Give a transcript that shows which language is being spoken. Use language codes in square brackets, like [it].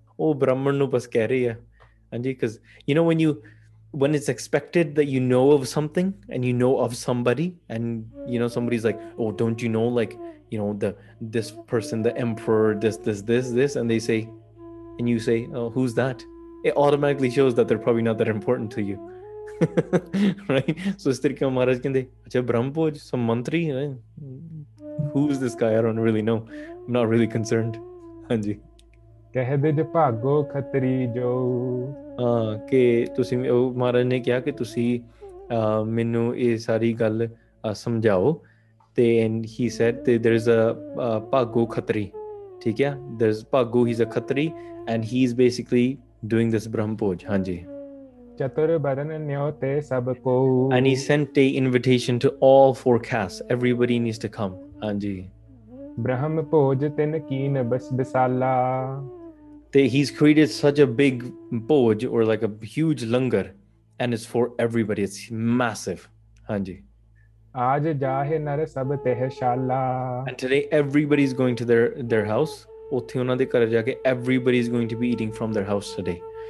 [pa] Oh, Brahman nu bas keh rahe hai. [en] Hanji, because you know when it's expected that you know of something and you know of somebody, and you know somebody's like, oh, don't you know, like, you know, this person, the emperor, this, and they say, and you say, oh, who's that? It automatically shows that they're probably not that important to you. Right? [pa] So is tarike Maharaj kende, [en] acha Brahmapuj, some mantri, who's this guy? I don't really know. I'm not really concerned. [pa] Hanji. ਕਹਦੇ ਜੇ ਭਾਗੋ ਖਤਰੀ ਜੋ ਹਾਂ ਕਿ ਤੁਸੀਂ ਉਹ ਮਹਾਰਾਜ ਨੇ ਕਿਹਾ ਕਿ ਤੁਸੀਂ ਮੈਨੂੰ ਇਹ ਸਾਰੀ ਗੱਲ ਸਮਝਾਓ ਤੇ [en] and he said ਤੇ there is a Bhago Khatri [pa] ਠੀਕ ਹੈ [en] there is Bhago he is a Khatri and he is basically doing this Brahm Bhoj ਹਾਂਜੀ [pa] ਚਤੁਰ ਬਰਨ ਨਿਉ ਤੇ ਸਭ ਕੋ [en] and he sent a invitation to all four caste everybody needs to come ਹਾਂਜੀ [pa] ਬ੍ਰਹਮ ਭੋਜ ਤਿੰਨ ਕੀਨ ਬਸ ਬਿਸਾਲਾ [en] That he's created such a big bhoj or like a huge langar, and it's for everybody. It's massive. Hanji. [pa] Aaj jahe nar sab teh shala. [en] And today everybody's going to their house. [pa] Othe unna de ghar jaake, [en] everybody's going to be eating from their house today.